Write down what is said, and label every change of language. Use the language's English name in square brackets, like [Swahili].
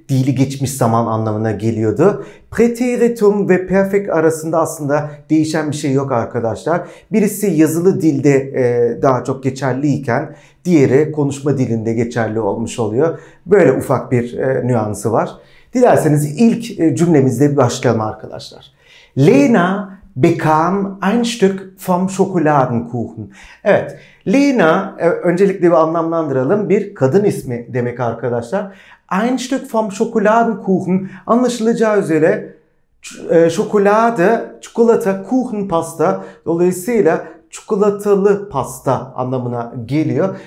[Turkish] Dili geçmiş zaman anlamına geliyordu. Präteritum ve perfect arasında aslında değişen bir şey yok arkadaşlar. Birisi yazılı dilde daha çok geçerliyken diğeri konuşma dilinde geçerli olmuş oluyor. Böyle ufak bir nüansı var. Dilerseniz ilk cümlemizle başlayalım arkadaşlar. [German] Lena bekam ein Stück vom Schokoladenkuchen. [Turkish] Evet, Lena öncelikle bir anlamlandıralım. Bir kadın ismi demek arkadaşlar. [German] Ein Stück vom Schokoladenkuchen, [Turkish] anlaşılacağı üzere şokolade, çikolata, kuchen, pasta, dolayısıyla çikolatalı pasta anlamına geliyor.